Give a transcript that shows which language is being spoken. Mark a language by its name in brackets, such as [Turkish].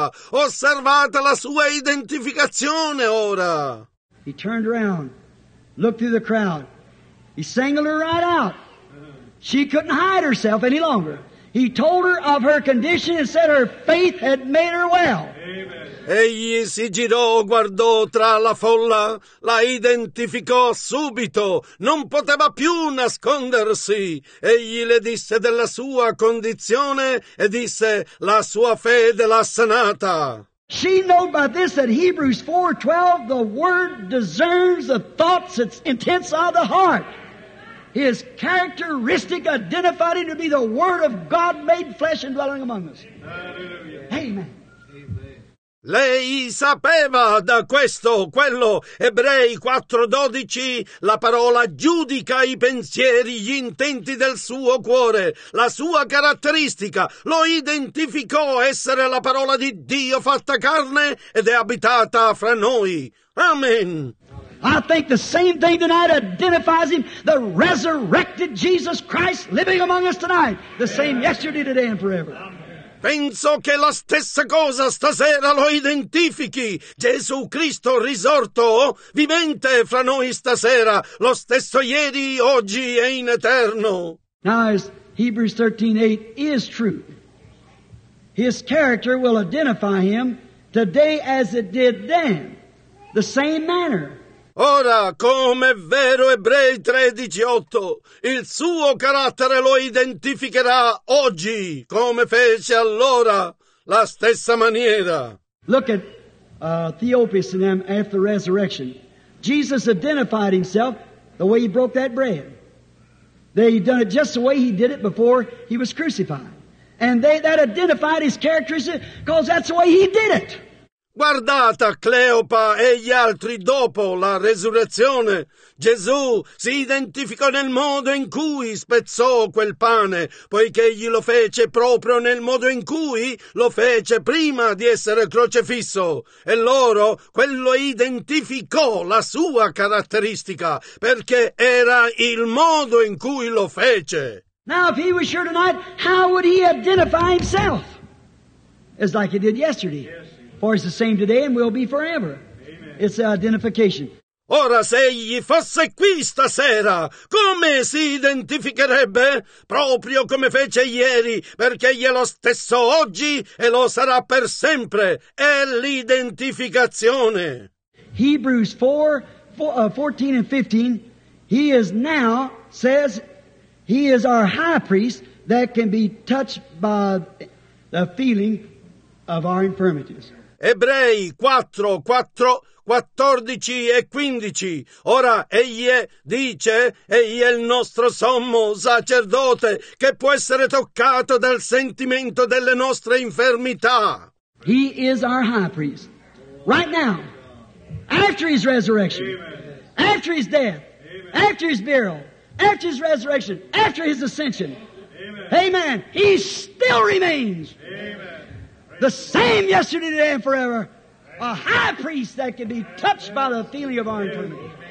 [Italian] Osservate la sua identificazione ora. [English] He turned around, looked through the crowd. He singled her right out. She couldn't hide herself any longer. He told her of her condition and said her faith had made her well. Amen. [Italian] Egli si girò, guardò tra la folla, la identificò subito. Non poteva più nascondersi. Egli le disse della sua condizione e disse la sua fede l'ha sanata. [English] She knew by this that Hebrews 4:12, the word discerns the thoughts and intents of the heart. His characteristic identified him to be the Word of God made flesh and dwelling among us. Hallelujah. Amen. [Italian] Lei sapeva da questo, quello, Ebrei 4:12, la parola giudica i pensieri, gli intenti del suo cuore, la sua caratteristica, lo identificò essere la parola di Dio fatta carne ed è abitata fra noi. Amen. [English] I think the same thing tonight identifies him, the resurrected Jesus Christ living among us tonight, the same yesterday, today, and forever. [Italian] Penso che la stessa cosa stasera lo identifichi, Gesù Cristo risorto, vivente fra noi stasera, lo stesso ieri, oggi e in eterno. [English] Now, as Hebrews 13:8 is true, his character will identify him today as it did then, the same manner. [Italian] Ora, come è vero Ebrei 13:8, il suo carattere lo identificherà oggi, come fece allora, la stessa maniera. [English] Look at Theopius and them after resurrection. Jesus identified himself the way he broke that bread. They done it just the way he did it before he was crucified. And that identified his characteristics because that's the way he did it. [Italian] Guardate Cleopa e gli altri dopo la resurrezione. Gesù si identificò nel modo in cui spezzò quel pane, poiché egli lo fece proprio nel modo in cui lo fece prima di essere crocifisso. E loro, quello identificò la sua caratteristica, perché era il modo in cui lo fece. [English] Now, if he was here tonight, how would he identify himself? It's like he did yesterday. Yes. For it's the same today and will be forever. Amen. It's identification. [Italian] Ora, se egli fosse qui stasera, come si identificherebbe? Proprio come fece ieri, perché egli è lo stesso oggi e lo sarà per sempre. È l'identificazione. [English] Hebrews 4:14-15, he is now, says, he is our high priest that can be touched by the feeling of our infirmities. [Italian] Ebrei 4, 4, 14 e 15. Ora egli è, dice, egli è il nostro sommo sacerdote che può essere toccato dal sentimento delle nostre infermità. [English] He is our high priest. Right now, after his resurrection, Amen. After his death, Amen. After his burial, after his resurrection, after his ascension, Amen. Amen. He still remains. Amen. The same yesterday, today, and forever. A high priest that can be touched by the feeling of our infirmity.